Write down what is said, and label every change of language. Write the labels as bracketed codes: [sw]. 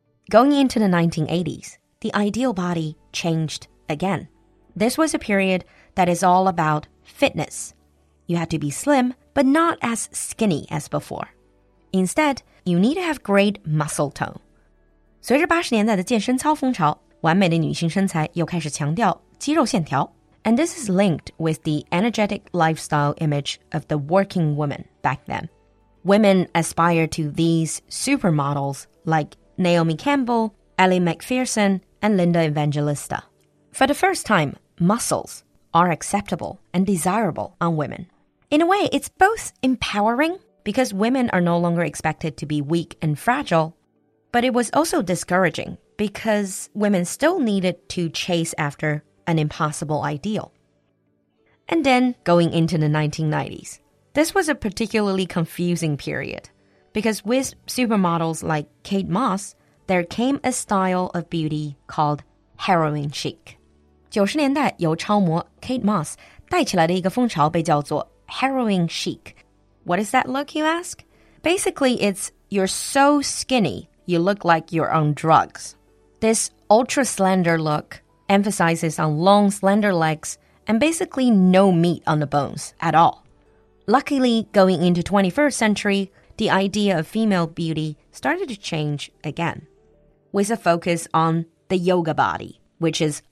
[en] Going into the 1980s, the ideal body changed again. This was a period that is all about fitness. You had to be slim, but not as skinny as before. Instead, you need to have great muscle tone. [zh] 随着80年代的健身操风潮，完美的女性身材又开始强调肌肉线条。 [en] And this is linked with the energetic lifestyle image of the working woman back then. Women aspire to these supermodels like Naomi Campbell, Ellie McPherson, and Linda Evangelista. For the first time, muscles... are acceptable and desirable on women. In a way, it's both empowering, because women are no longer expected to be weak and fragile, but it was also discouraging, because women still needed to chase after an impossible ideal. And then, going into the 1990s, this was a particularly confusing period, because with supermodels like Kate Moss, there came a style of beauty called heroin chic. [zh] 90年代由超模 Kate Moss 带起来的一个风潮被叫做 heroin chic. [en] What is that look, you ask? Basically, it's you're so skinny, you look like you're on drugs. This ultra-slender look emphasizes on long, slender legs and basically no meat on the bones at all. Luckily, going into 21st century, the idea of female beauty started to change again, with a focus on the yoga body, which is...